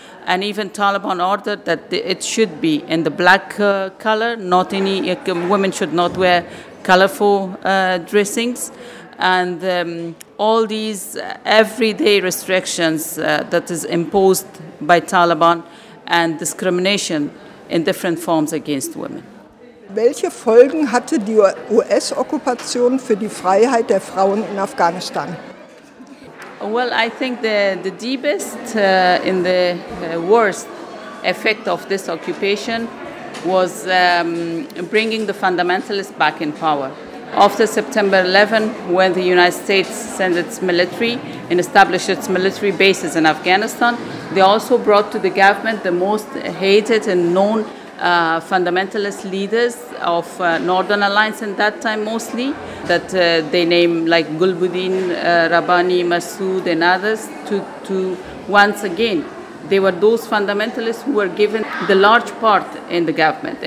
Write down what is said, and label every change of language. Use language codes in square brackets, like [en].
[en] And even Taliban ordered that it should be in the black color, not any women should not wear colorful dressings. And all these everyday restrictions that is imposed by Taliban and discrimination in different forms against women. [de] Welche Folgen hatte die US-Okkupation für die Freiheit der Frauen in Afghanistan? [en] Well, I think the deepest and the worst effect of this occupation was bringing the fundamentalists back in power. After September 11, when the United States sent its military and established its military bases in Afghanistan, they also brought to the government the most hated and known fundamentalist leaders of Northern Alliance in that time mostly, that they name like Gulbuddin, Rabbani, Massoud and others, to once again, they were those fundamentalists who were given the large part in the government.